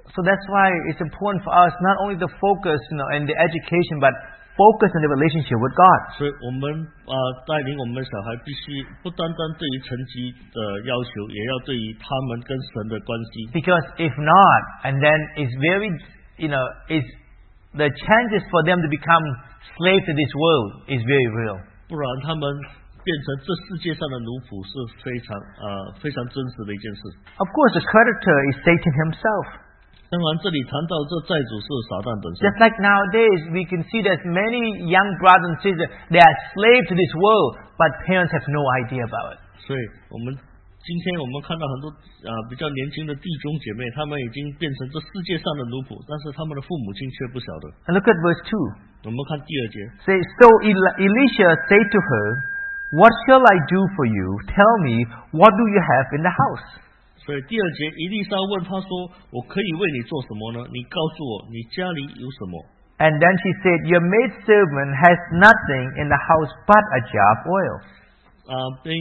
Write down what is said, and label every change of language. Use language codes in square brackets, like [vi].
[en] So that's why it's important for us not only to focus, and the education, but focus on the relationship with God. [zh] 所以我们带领我们小孩必须不单单对于成绩的要求，也要对于他们跟神的关系。 [en] Because if not, and then it's very, it's the chances for them to become slaves to this world is very real. [zh] 不然他们变成这世界上的奴仆是非常真实的一件事。 [en] Of course, the creditor is Satan himself. [zh] 当然，这里谈到这债主是撒旦本身。 [en] Just like nowadays, we can see that many young brothers and sisters they are slaves to this world, but parents have no idea about it. [zh] 所以，我们今天我们看到很多比较年轻的弟兄姐妹，他们已经变成这世界上的奴仆，但是他们的父母亲却不晓得。 [en] And look at verse 2. [zh] 我们看第二节。 [en] Say, so Elisha said to her, "What shall I do for you? Tell me, what do you have in the house?" [zh] 所以第二节，伊丽莎问他说：“我可以为你做什么呢？你告诉我，你家里有什么？” [en] And then she said, "Your maid servant has nothing in the house but a jar of oil."